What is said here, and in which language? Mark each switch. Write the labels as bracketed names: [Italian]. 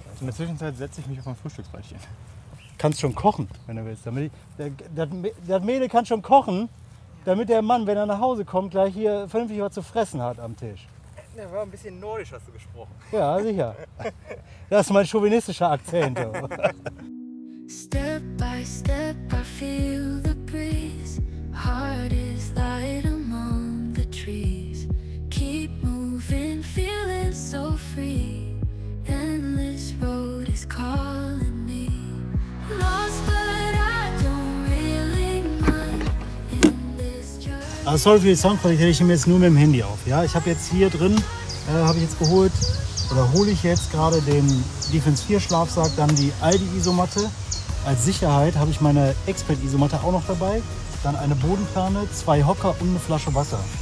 [German] Alter. In der Zwischenzeit setze ich mich auf ein Frühstücksbrettchen. Kannst schon kochen, wenn du willst. Das Mädel kann schon kochen, damit der Mann, wenn er nach Hause kommt, gleich hier vernünftig was zu fressen hat am Tisch. Ja, war ein bisschen nordisch, hast du gesprochen. Ja, sicher. Das ist mein chauvinistischer Akzent. [English] Step by step, I feel the breeze. Heart is light among the trees. Keep moving, feeling so free. Endless road is calling me. Lost, but I don't really mind. In this journey. [German] Also sorry für die Soundqualität, ich nehme jetzt nur mit dem Handy auf. Ja, ich habe jetzt hier drin, habe ich jetzt geholt, oder hole ich jetzt gerade den Defense 4 Schlafsack, dann die Aldi Isomatte. Als Sicherheit habe ich meine Expert-Isomatte auch noch dabei, dann eine Bodenplane, 2 Hocker und eine Flasche Wasser.